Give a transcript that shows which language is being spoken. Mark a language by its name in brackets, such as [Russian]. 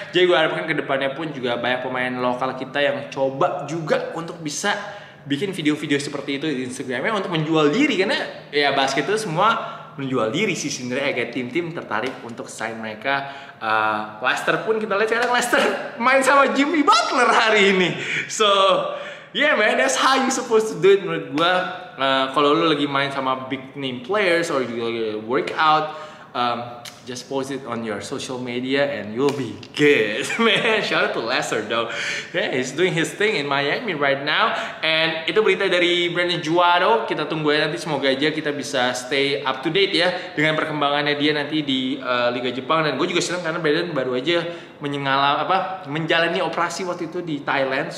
[Indonesian] Jadi gue harapkan kedepannya pun juga banyak pemain lokal kita yang coba juga untuk bisa bikin video-video seperti itu di Instagramnya untuk menjual diri, karena ya basket itu semua menjual diri sih sendiri, agak tim-tim tertarik untuk sign mereka. Leicester pun kita lihat sekarang, Leicester main sama Jimmy Butler hari ini. [English] So yeah man, that's how you supposed to do it [Indonesian] menurut gue. Kalau lu lagi main sama [English] big name players or you workout, just post it on your social media and you'll be good. Man, shout out to Leicester though. Yeah, he's doing his thing in Miami right now. And [Indonesian] itu berita dari Brandon Juaro. Kita tunggu ya nanti, semoga aja kita bisa [English] stay up to date [Indonesian] ya dengan perkembangannya dia nanti di Liga Jepang. Dan gue juga senang karena Brandon baru aja menjalani operasi waktu itu di Thailand.